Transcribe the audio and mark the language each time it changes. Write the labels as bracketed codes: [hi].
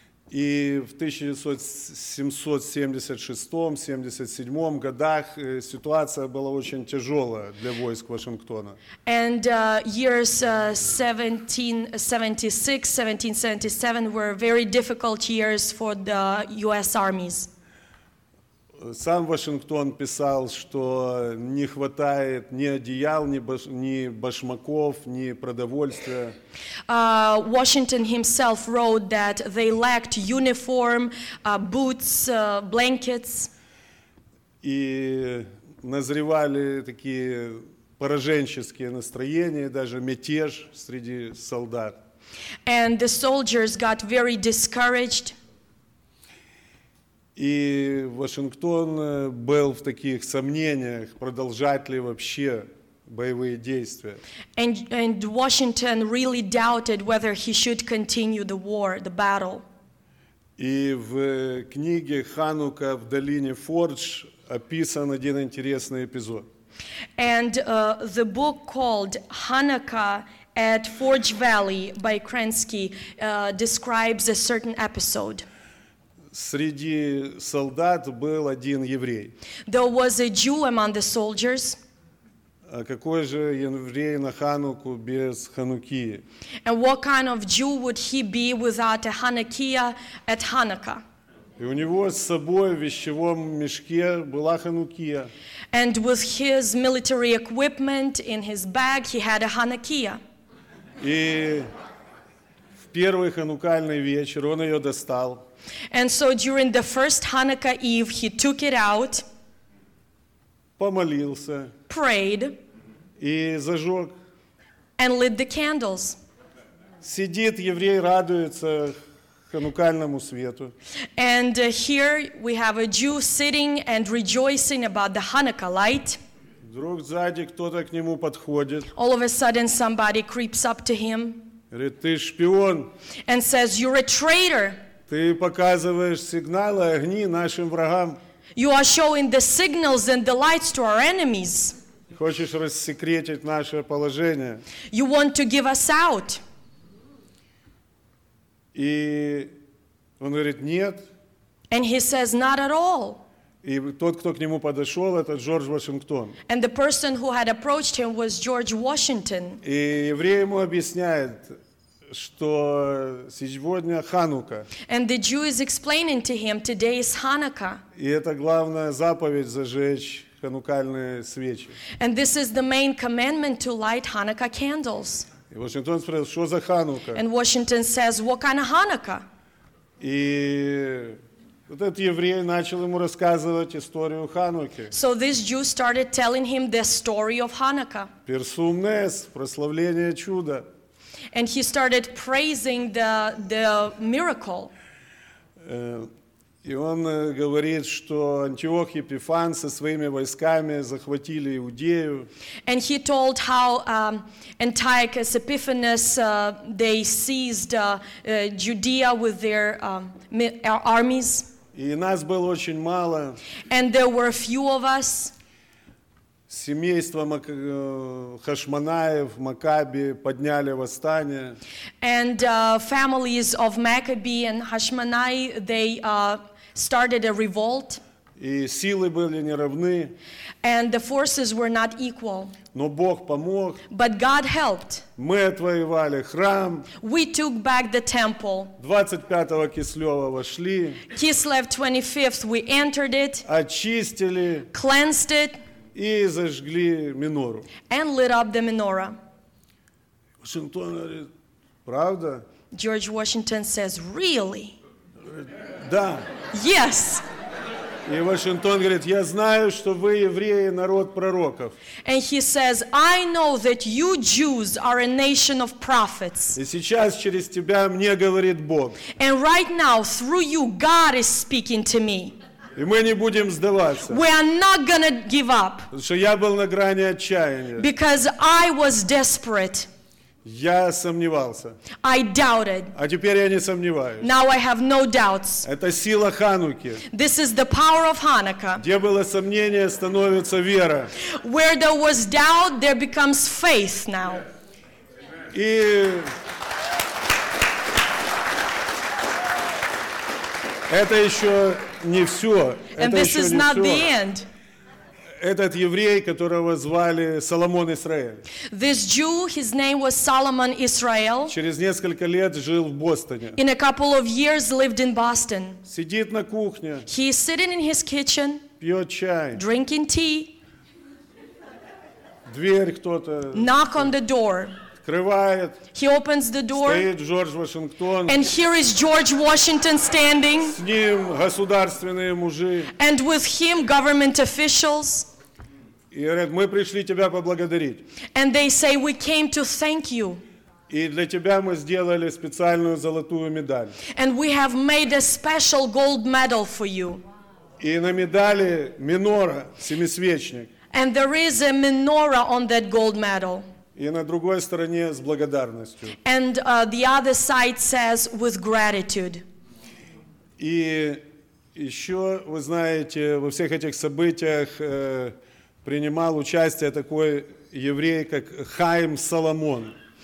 [ru] И в 1776-77 годах ситуация была очень тяжелая для войск Вашингтона. [en] And years 1776-1777 were very difficult years for the U.S. armies. [ru] сам Вашингтон писал, что не хватает ни одеял, ни башмаков, ни продовольствия. [en] Washington himself wrote that they lacked uniform, boots, blankets. [ru] И назревали такие пораженческие настроения, даже мятеж среди солдат. [en] And the soldiers got very discouraged. [ru] И Вашингтон был в таких сомнениях, продолжать ли вообще боевые действия. [en] And Washington really doubted whether he should continue the war, the battle. [ru] И в книге «Ханука в долине Фордж» описан один интересный эпизод. [en] And the book called «Hanukkah at Forge Valley» by Kransky describes a certain episode. [ru] Среди солдат был один еврей. [en] There was a Jew among the soldiers. [ru] А какой же еврей на Хануку без Ханукии? [en] And what kind of Jew would he be without a Hanukkah at Hanukkah? [ru] И у него с собой в вещевом мешке была Ханукия. [en] And with his military equipment in his bag, he had a Hanukkah. [ru] И в первый ханукальный вечер он ее достал. [en] And so during the first Hanukkah Eve, he took it out, [ru] помолился, [en] prayed, [ru] и зажег, [en] and lit the candles. [ru] Сидит еврей, радуется ханукальному свету. [en] And here we have a Jew sitting and rejoicing about the Hanukkah light. [ru] Вдруг сзади кто-то к нему подходит. [en] All of a sudden somebody creeps up to him. [ru] Говорит, ты шпион. [en] And says, you're a traitor. [ru] Ты показываешь сигналы огни нашим врагам. [en] You are showing the signals and the lights to our enemies. [ru] Хочешь рассекретить наше положение. [en] You want to give us out. [ru] И он говорит, нет. [en] And he says, not at all. [ru] И тот, кто к нему подошел, это Джордж Вашингтон. [en] And the person who had approached him was George Washington. [ru] И еврей ему объясняет, что сегодня Ханука. [en] And the Jew is explaining to him, today is Hanukkah. [ru] И это главная заповедь зажечь ханукальные свечи. [en] And this is the main commandment to light Hanukkah candles. [ru] И Вашингтон спросил, что за Ханука? [en] And Washington says, what kind of Hanukkah? [ru] И вот этот еврей начал ему рассказывать историю Хануки. [en] So this Jew started telling him the story of Hanukkah. [ru] Персум Нес, прославление чуда. [en] And he started praising the miracle. [ru] И он говорит, что Антиох и Епифан со своими войсками захватили Иудею. [en] And he told how Antiochus Epiphanes they seized Judea with their armies. [ru] И нас было очень мало. [en] And there were a few of us. [ru] Семейство Хашманаев, Макаби подняли восстание. [en] And families of Maccabi and Hashmonai, they started a revolt. [ru] И силы были неравны. [en] And the forces were not equal. [ru] Но Бог помог. [en] But God helped. [ru] Мы отвоевали храм. [en] We took back the temple. [ru] 25-го Кислева вошли. [en] Kislev 25th, we entered it. [ru] Очистили. [en] Cleansed it. [ru] И зажгли минору. [en] And lit up the menorah. [ru] Вашингтон говорит, правда? [en] George Washington says, really? [ru] Да. [en] Yes. [ru] И Вашингтон говорит, я знаю, что вы евреи, народ пророков. [en] And he says, I know that you Jews are a nation of prophets. [ru] И сейчас через тебя мне говорит Бог. [en] And right now, through you, God is speaking to me. [ru] И мы не будем сдаваться. [en] We are not gonna give up. [ru] Потому что я был на грани отчаяния. [en] Because I was desperate. [ru] Я сомневался. [en] I doubted. [ru] А теперь я не сомневаюсь. [en] Now I have no doubts. [ru] Это сила Хануки. [en] This is the power of Hanukkah. [ru] Где было сомнение, становится вера. [en] Where there was doubt, there becomes faith now. [ru] И это еще не все. [en] And [ru] это [en] this is not [ru] все. [en] The end. [ru] Этот еврей, которого звали Соломон Исраэль. [en] This Jew, his name was Solomon Israel. [ru] Через несколько лет жил в Бостоне. [en] In a couple of years lived in Boston. [ru] Сидит на кухне. [en] He is sitting in his kitchen. [ru] пьет чай. [en] Drinking tea. [ru] Дверь кто-то. [en] Knock on the door. [ru] Открывает. [en] He opens the door. [ru] Стоит Джордж Вашингтон. [en] And here is George Washington standing. [ru] С ним государственные мужи. [en] And with him government officials. [ru] И говорят, мы пришли тебя поблагодарить. [en] And they say, we came to thank you. [ru] И для тебя мы сделали специальную золотую медаль. [en] And we have made a special gold medal for you. [ru] И на медали минора, семисвечник. [en] And there is a menorah on that gold medal. [ru] И на другой стороне с благодарностью. [en] And the other side says with gratitude. [ru] И еще, вы знаете, во всех этих событиях принимал участие такой еврей, как Хаим Соломон.